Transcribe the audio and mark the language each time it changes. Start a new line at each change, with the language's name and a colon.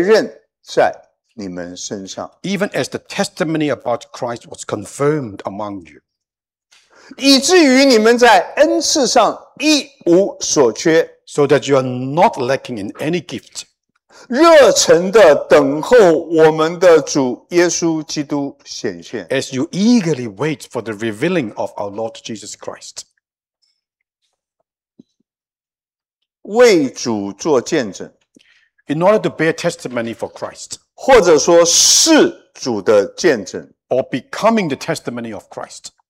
Chinese: 正如关于基督的见证确认在你们身上,
English: even as the testimony about Christ was confirmed among you.
Chinese: 以至于你们在恩赐上一无所缺,
English: so that you are not lacking in any gift.
Chinese: 热忱地等候我们的主耶稣基督显现,
English: as you eagerly wait for the revealing of our Lord Jesus Christ.
Chinese: 为主做见证,
English: in order to bear testimony for Christ,
Chinese: 或者说是主的见证,
English: or becoming the testimony of Christ.